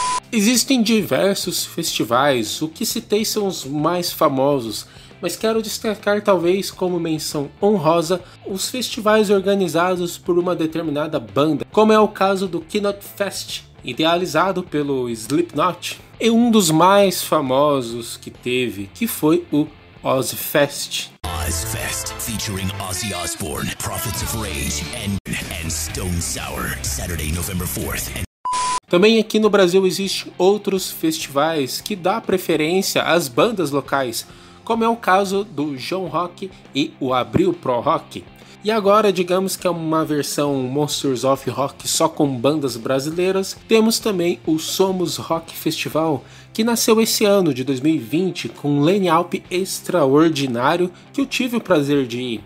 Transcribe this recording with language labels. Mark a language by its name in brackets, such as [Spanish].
[Portuguese] Existem diversos festivais, o que citei são os mais famosos, mas quero destacar talvez como menção honrosa os festivais organizados por uma determinada banda, como é o caso do Keynote Fest, idealizado pelo Slipknot, e um dos mais famosos que teve, que foi o Ozzfest. [English] Ozzfest, featuring Ozzy Osbourne, Prophets of Rage, and Stone Sour, Saturday, November 4th. [Portuguese] Também aqui no Brasil existem outros festivais que dá preferência às bandas locais, como é o caso do João Rock e o Abril Pro Rock. E agora, digamos que é uma versão Monsters of Rock só com bandas brasileiras, temos também o Somos Rock Festival, que nasceu esse ano de 2020 com um line-up extraordinário que eu tive o prazer de ir.